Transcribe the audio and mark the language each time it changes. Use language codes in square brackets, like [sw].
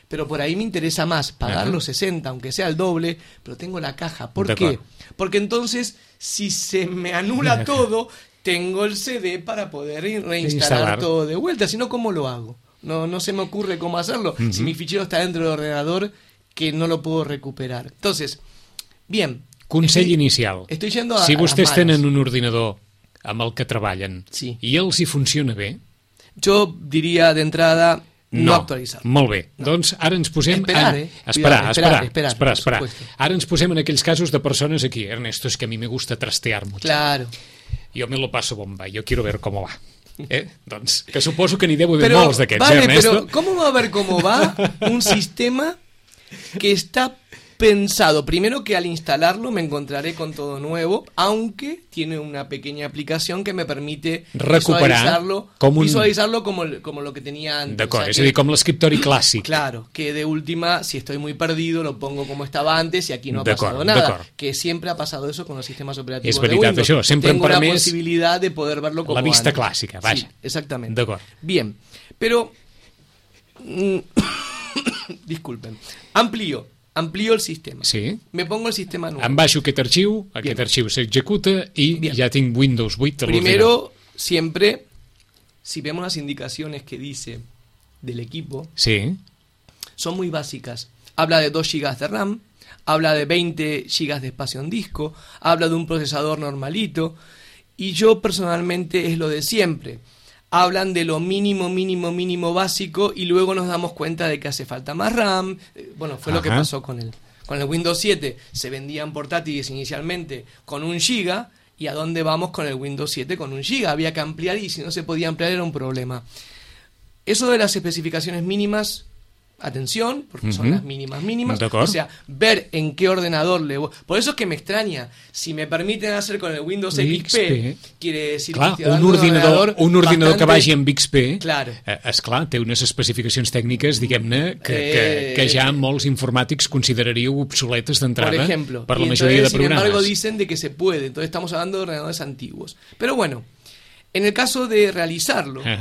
[es] Pero por ahí me interesa más pagar los 60, aunque sea el doble, pero tengo la caja. ¿Por qué? Porque entonces, si se me anula todo, tengo el CD para poder reinstalar todo de vuelta. Si no, ¿cómo lo hago? No se me ocurre cómo hacerlo. Si mi fichero está dentro del ordenador, que no lo puedo recuperar. Entonces, bien. [ca] Consell inicial. [es] Estoy yendo a [ca] si vostès tenen un ordinador amb el que treballen i els hi funciona bé... Jo diria d'entrada no actualitzar. Molt bé. No. Doncs ara ens posem... Esperar. Ara ens posem en aquells casos de persones aquí. Ernesto, és que [es] a mi me gusta trastear mucho. Claro. Yo me lo paso bomba. Yo quiero ver cómo va. [ca] Doncs, que suposo que n'hi deu haver molts d'aquests, vale, Ernesto. Però com va a ver com va un sistema que està pensado? [es] Primero que al instalarlo me encontraré con todo nuevo, aunque tiene una pequeña aplicación que me permite visualizarlo como lo que tenía antes. [ca] D'acord, o sea, és a dir, com l'escriptori clàssic. [es] Claro, que de última, si estoy muy perdido, lo pongo como estaba antes y aquí no ha pasado nada. [ca] D'acord. [es] Que siempre ha pasado eso con los sistemas operativos [ca] de Windows. És veritat, això. Sempre [es] tengo la posibilidad de poder verlo como la vista antes. [ca] Clàssica, vaja. [es] Sí, exactamente. [ca] D'acord. [es] Bien, pero... disculpen. Amplio el sistema. Sí. Me pongo el sistema nuevo. [ca] Em baixo aquest arxiu, aquest arxiu s'executa i ja tinc Windows 8. [es] Primero, siempre, si vemos las indicaciones que dice del equipo, son muy básicas. Habla de 2 GB de RAM, habla de 20 GB de espacio en disco, habla de un procesador normalito, y yo personalmente es lo de siempre. Hablan de lo mínimo básico y luego nos damos cuenta de que hace falta más RAM. Bueno, fue lo que pasó con el Windows 7. Se vendían portátiles inicialmente con un giga ¿Y a dónde vamos con el Windows 7 con un giga? Había que ampliar y si no se podía ampliar era un problema. Eso de las especificaciones mínimas, atención, porque son las mínimas mínimas. O sea, ver en qué ordenador le voy. Por eso es que me extraña. Si me permiten hacer con el Windows XP, quiere decir [ca] clar, que un ordinador que vagi amb XP, esclar, té unes especificacions tècniques, diguem-ne, que ja molts informàtics consideraríeu obsoletes d'entrada per la majoria de programes. [es] Sin embargo, dicen de que se puede. Entonces estamos hablando de ordenadores antiguos. Pero bueno, en el caso de realizarlo...